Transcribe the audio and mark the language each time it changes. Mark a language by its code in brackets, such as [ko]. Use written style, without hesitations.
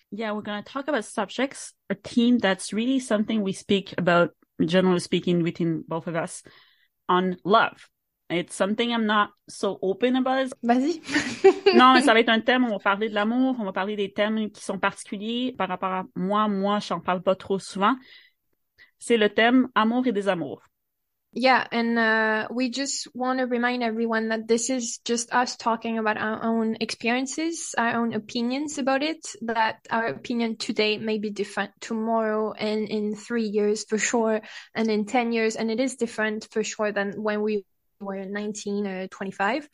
[en] Yeah, we're going to talk about subjects, a theme that's really something we speak about, generally speaking, within both of us, on love. It's something I'm not so open about. [fr] Vas-y. Non, mais ça va être un thème, on va parler de l'amour, on va parler des thèmes qui sont particuliers par rapport à moi. Moi, j'en parle pas trop souvent. C'est le thème amour et désamour. [en] Yeah, and we just want to remind everyone that this is just us talking about our own experiences, our own opinions about it, that our opinion today may be different tomorrow and in 3 years for sure, and in 10 years, and it is different for sure than when we were 19 or 25.